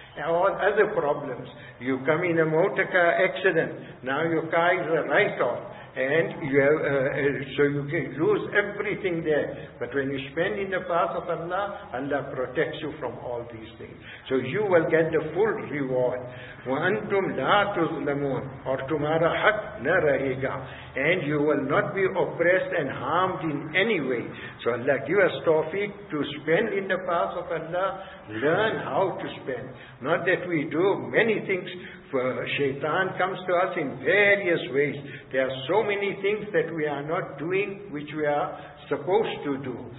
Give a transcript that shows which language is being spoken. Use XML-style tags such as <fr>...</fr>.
<en>All other problems, you come in a motor car accident, now your car is a write-off, and you have, so you can lose everything there. But when you spend in the path of Allah, Allah protects you from all these things. So you will get the full reward.</en> <ar>وَأَنْتُمْ لَا تُظْلَمُونَ</ar> <ur>اور تمہارا حق نہ رہے گا.</ur> <en>And you will not be oppressed and harmed in any way. So Allah give us tawfiq to spend in the path of Allah. Learn how to spend. Not that we do many things. For shaitan comes to us in various ways. There are so many things that we are not doing which we are supposed to do.</en>